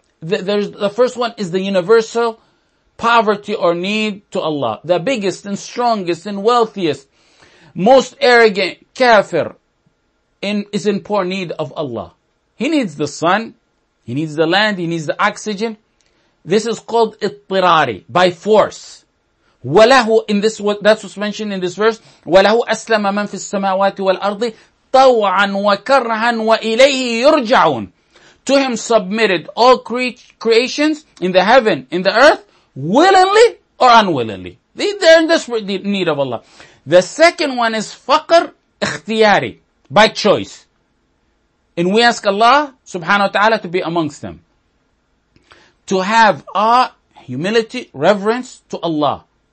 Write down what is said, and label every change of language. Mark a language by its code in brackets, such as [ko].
[en] The first one is the universal poverty or need to Allah. The biggest and strongest and wealthiest, most arrogant kafir is in poor need of Allah. He needs the sun. He needs the land, he needs the oxygen. This is called اضطراري, by force. [ar] وَلَهُ, [en] in this, that's what's mentioned in this verse, [ar] وَلَهُ أَسْلَمَ مَنْ فِي السَّمَاوَاتِ وَالْأَرْضِ طَوْعًا وَكَرْهًا وَإِلَيْهِ يُرْجَعُونَ. [en] To him submitted all creations in the heaven, in the earth, willingly or unwillingly. They're in desperate need of Allah. The second one is faqr ikhtiyari, by choice. And we ask Allah subhanahu wa ta'ala to be amongst them. To have humility, reverence to Allah.